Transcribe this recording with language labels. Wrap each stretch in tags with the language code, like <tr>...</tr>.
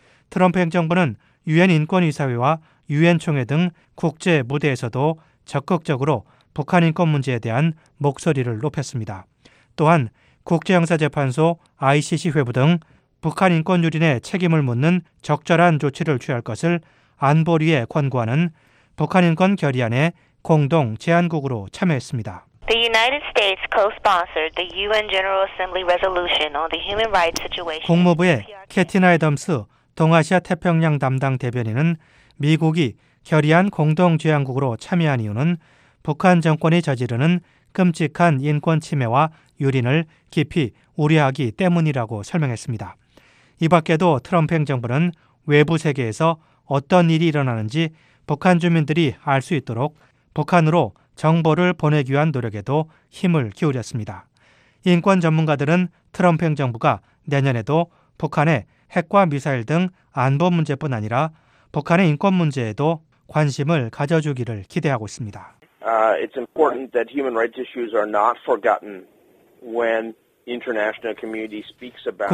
<ko>트럼프 행정부는 유엔 인권이사회와 유엔총회 등 국제 무대에서도 적극적으로 북한 인권 문제에 대한 목소리를 높였습니다. 또한 국제형사재판소 ICC 회부 등 북한 인권 유린의 책임을 묻는 적절한 조치를 취할 것을 안보리에 권고하는 북한 인권 결의안에 공동 제안국으로 참여했습니다.</ko> <en>The United States co-sponsored the UN General Assembly resolution on the human rights situation.</en> <ko>국무부의 캐티나 애덤스 동아시아 태평양 담당 대변인은 미국이 결의안 공동주의안국으로 참여한 이유는 북한 정권이 저지르는 끔찍한 인권 침해와 유린을 깊이 우려하기 때문이라고 설명했습니다. 이 밖에도 트럼프 행정부는 외부 세계에서 어떤 일이 일어나는지 북한 주민들이 알 수 있도록 북한으로 정보를 보내기 위한 노력에도 힘을 기울였습니다. 인권 전문가들은 트럼프 행정부가 내년에도 북한의 핵과 미사일 등 안보 문제뿐 아니라 북한의 인권 문제에도 관심을 가져주기를 기대하고 있습니다.</ko> <en>It's important that human rights issues are not forgotten when international community speaks about.</en>